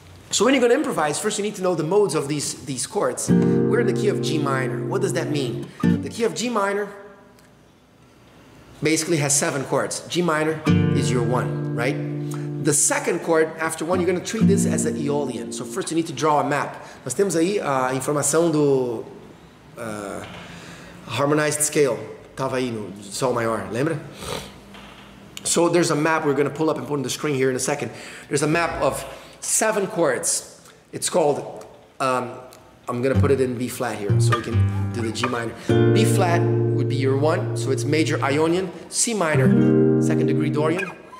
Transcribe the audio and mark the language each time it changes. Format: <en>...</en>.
<en>So when you're gonna improvise, first you need to know the modes of these chords. We're in the key of G minor. What does that mean? The key of G minor basically has seven chords. G minor is your one, right? The second chord, after one, you're gonna treat this as an Aeolian. So first you need to draw a map.</en> <pt>Nós temos aí a informação do harmonized scale. Tava aí no Sol maior, lembra?</pt> <en>So there's a map we're gonna pull up and put on the screen here in a second. There's a map of seven chords. It's called, I'm gonna put it in B flat here so we can do the G minor. B flat would be your one, so it's major Ionian. C minor, second degree Dorian.</en>